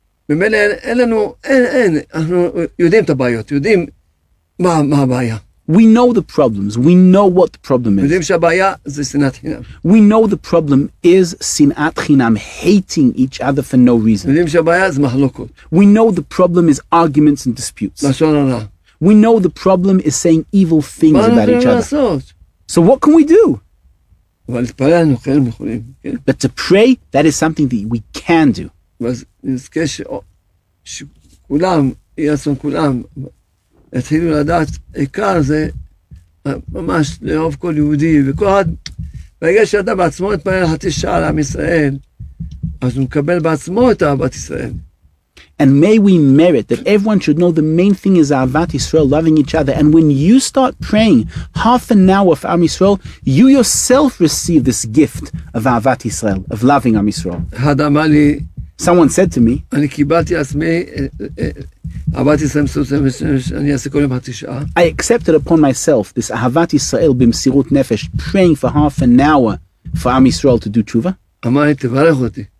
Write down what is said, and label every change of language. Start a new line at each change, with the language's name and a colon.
Hebrew: ממילא אין, אין לנו, אין, אין, אנחנו יודעים את הבעיות, יודעים מה, מה הבעיה.
English: We know the problems. We know what the problem is.
Hebrew: יודעים שהבעיה זה שנאת חינם.
English: We know the problem is שנאת חינם, hating each other for no reason.
Hebrew: יודעים שהבעיה זה מחלוקות.
English: We know the problem is arguments and disputes.
Hebrew: לשון הרע.
English: We know the problem is saying evil things about each other.
Hebrew: מה אנחנו יכולים לעשות?
English: So what can we do?
Hebrew: אבל להתפלל אנחנו כן יכולים.
English: But to pray, that is something that we can do.
Hebrew: אז נזכה שכולם, יעשו כולם, התחילו לדעת עיקר זה ממש לאהוב כל יהודי, וכל עד, ברגע שאדם בעצמו התפלל חצי שעה לעם ישראל, אז הוא מקבל בעצמו את אהבת ישראל.
English: And may we merit that everyone should know the main thing is Ahavat Yisrael, loving each other. And when you start praying half an hour for Am Yisrael, you yourself receive this gift of Ahavat Yisrael, of loving Am Yisrael. Someone said to me, I accepted upon myself this Ahavat Yisrael b'msirut nefesh, praying for half an hour for Am Yisrael to do tshuva.